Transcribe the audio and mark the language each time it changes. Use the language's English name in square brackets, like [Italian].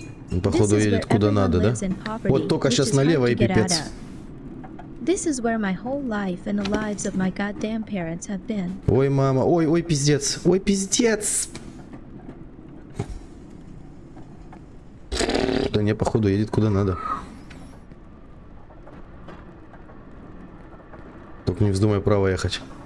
[Russian] Он, походу, едет куда надо, да? Вот только сейчас налево и пипец. [English] This is where my whole life and the lives of my goddamn parents have been. [Russian] Ой, мама, ой, ой, пиздец, ой, пиздец. Да не, походу, едет куда надо. Только не вздумай право ехать.